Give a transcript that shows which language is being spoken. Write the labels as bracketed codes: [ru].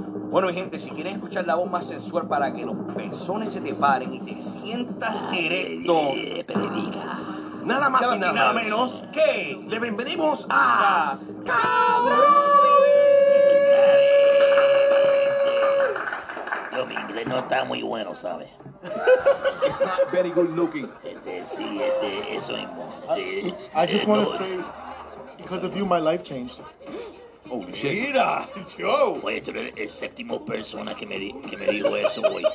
[es] Bueno, gente, si quieren escuchar la voz más sensual para que los pezones se te paren y te sientas erecto... Predica. Nada más y nada menos que le bienvenimos a Cabrovis. Yo, mi inglés no está muy bueno, ¿sabes? [en] It's not very good looking. [es] Sí, eso es bueno. Sí. [en] I just want to say, because of you, my life changed. Oh, shit. [es] Mira, yo. Oye, tú eres el séptimo persona que me dijo eso, güey.